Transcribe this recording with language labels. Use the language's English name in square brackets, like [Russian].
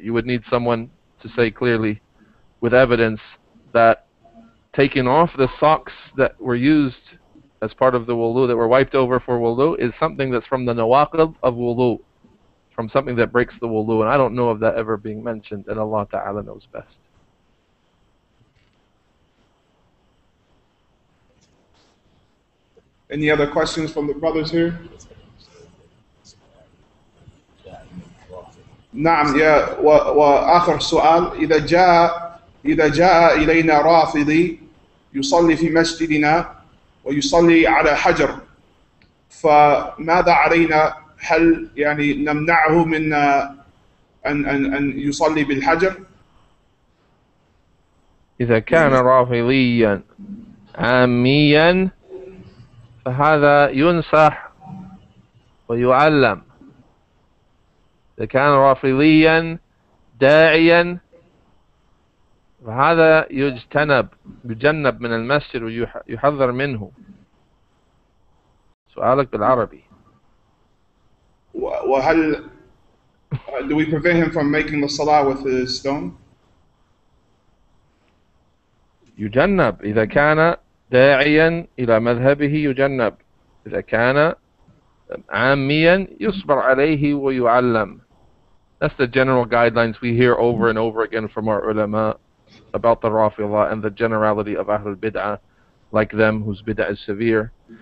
[English] You would need someone to say clearly with evidence that taking off the socks that were used as part of the wudu, that were wiped over for wudu, is something that's from the nawaqid of wudu, from something that breaks the wudu, and I don't know of that ever being mentioned, and Allah Ta'ala knows best. Any other questions from the brothers here? [Arabic] نعم يا وآخر سؤال إذا جاء إلينا رافضي يصلي في مسجدنا ويصلي على حجر فماذا علينا هل يعني نمنعه من أن يصلي بالحجر إذا كان رافضيا عاميا فهذا ينصح ويعلم إذا كان رافضيا داعيا فهذا يجتنب من المسجد ويحذر منه سؤالك بالعربي وهل [English] do we prevent him from making the salah with the stone? [Arabic] يجنب إذا كان داعيا إلى مذهبه يجنب إذا كان عاميا يصبر عليه ويعلم [English] That's the general guidelines we hear over and over again from our ulama about the Rafidah and the generality of Ahlul Bid'ah, like them whose Bid'ah is severe.